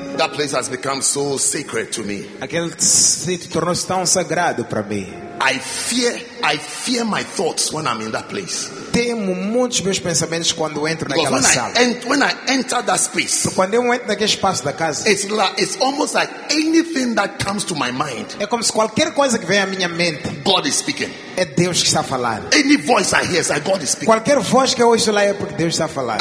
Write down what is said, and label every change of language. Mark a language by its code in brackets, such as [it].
[en] That place has become so sacred to me. [pt] Aquele sítio tornou-se tão sagrado para mim. [en] I fear my thoughts when I'm in that place. [pt] Temo muitos meus pensamentos quando entro naquela sala. [en] When I enter that space, [pt] quando eu entro naquele espaço da casa, [en] it's almost like anything that comes to my mind. [pt] É como se qualquer coisa que vem à minha mente. [en] God is speaking. [pt] É Deus que está a falar. [en] Any voice I hear, like God is speaking. [pt] Qualquer voz que eu ouço lá é porque Deus está a falar.